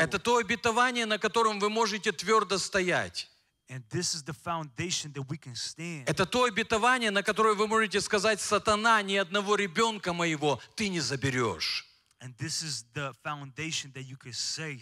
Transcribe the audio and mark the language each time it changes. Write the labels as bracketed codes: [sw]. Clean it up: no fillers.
[ru] Это то обетование, на котором вы можете твердо стоять. [en] And this is the foundation that we can stand. [ru] Это то обетование, на которое вы можете сказать: "Сатана, ни одного ребенка моего ты не заберешь". [en] And this is the foundation that you can say,